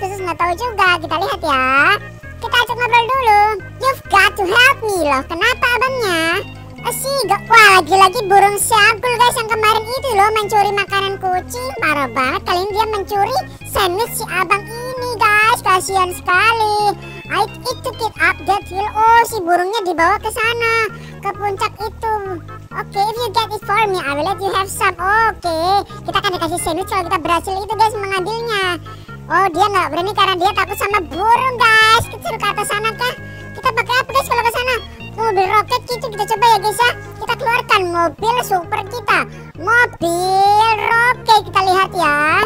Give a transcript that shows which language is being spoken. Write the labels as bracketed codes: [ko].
[id] Khusus nggak tahu juga. Kita lihat ya. Kita ajak ngobrol dulu. [en] You've got to help me loh. [id] Kenapa abangnya? Wah, lagi-lagi burung siangkul guys yang kemarin itu loh mencuri makanan kucing. Parah banget. Kali ini dia mencuri sandwich si abang ini guys. Kasian sekali. [en] I need to keep up that hill. [id] Oh, si burungnya dibawa ke sana, ke puncak itu. [en] Oke, okay, if you get it for me, I will let you have some. Oke, okay. [id] Kita akan dikasih sandwich kalau kita berhasil itu guys mengambilnya. Oh, dia nggak berani karena dia takut sama burung guys. Kita suruh ke atas sana kah? Kita pakai apa guys kalau ke sana? Mobil roket gitu, kita coba ya guys ya. Kita keluarkan mobil super kita. Mobil roket, kita lihat ya.